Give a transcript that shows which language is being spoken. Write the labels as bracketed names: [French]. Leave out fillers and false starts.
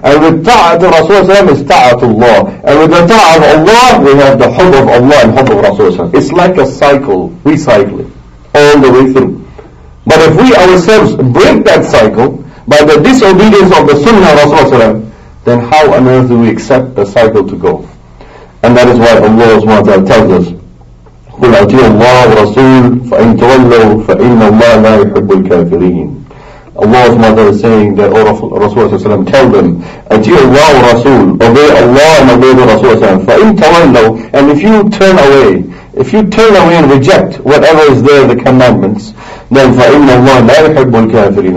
[English] And with ta'at of Rasulullah is ta'at of Allah. And with the ta'at of Allah, we have the hub of Allah and hub of Rasulullah. It's like a cycle, recycling, all the way through. But if we ourselves break that cycle by the disobedience of the sunnah of Rasulullah, then how on earth do we accept the cycle to go? And that is why Allah SWT tells us, [Arabic] قُلْ أَطِيعُوا اللَّهَ وَرَسُولَهُ فَإِنْ تَوَلَّوْا فَإِنَّ اللَّهَ لَا يُحِبُّ الْكَافِرِينَ. [English] Allah's mother is saying that, O Rasulullah, tell them, Ajir Allah Rasul, obey Allah and obey the Rasulullah. [Arabic] فَإِنْ تَوَلَّوْا. [English] And if you turn away, if you turn away and reject whatever is there, the commandments, then [Arabic] فَإِنَّ اللَّهَ لَا يُحِبُّ الْكَافِرِينَ.